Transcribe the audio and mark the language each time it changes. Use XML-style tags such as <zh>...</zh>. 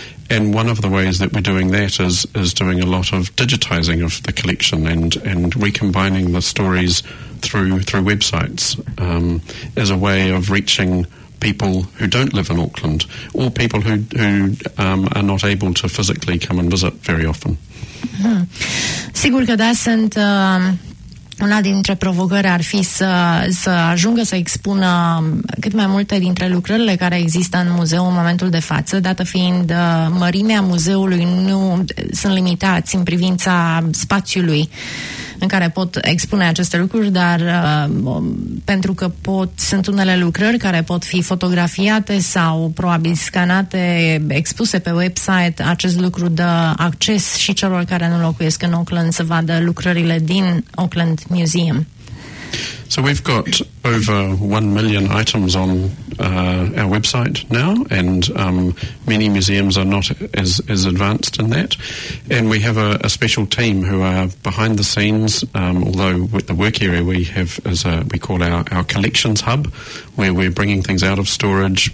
<en>And one of the ways that we're doing that is doing a lot of digitising of the collection and recombining the stories through websites as a way of reaching people who don't live in Auckland or people who are not able to physically come and visit very often.</en> <ro>Mm-hmm. Sigur că da, sunt... Una dintre provocări ar fi să ajungă să expună cât mai multe dintre lucrările care există în muzeu în momentul de față, dată fiind mărimea muzeului, nu sunt limitați în privința spațiului în care pot expune aceste lucruri, dar pentru că sunt unele lucrări care pot fi fotografiate sau probabil scanate, expuse pe website, acest lucru dă acces și celor care nu locuiesc în Auckland să vadă lucrările din Auckland Museum.</ro> <en>So we've got over 1 million items on our website now, and many museums are not as advanced in that. And we have a special team who are behind the scenes. Although with the work area we have is we call our collections hub, where we're bringing things out of storage.</en>